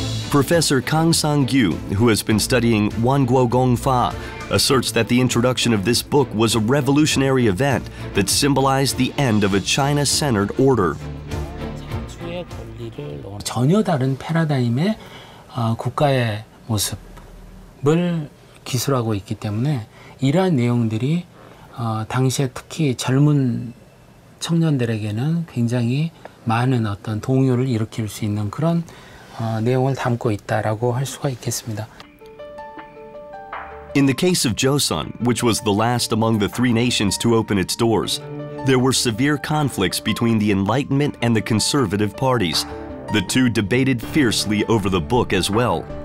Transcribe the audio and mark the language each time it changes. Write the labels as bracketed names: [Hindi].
[English] Professor Kang Sang-gyu, who has been studying Wangguo Gongfa, asserts that the introduction of this book was a revolutionary event that symbolized the end of a China-centered order. [Korean] 창조의 권리를 전혀 다른 패러다임의 국가의 모습을 기술하고 있기 때문에 이러한 내용들이 당시에 특히 젊은 청년들에게는 굉장히 많은 어떤 동요를 일으킬 수 있는 그런 내용을 담고 있다라고 할 수가 있겠습니다. [English] In the case of Joseon, which was the last among the three nations to open its doors, there were severe conflicts between the Enlightenment and the conservative parties. The two debated fiercely over the book as well.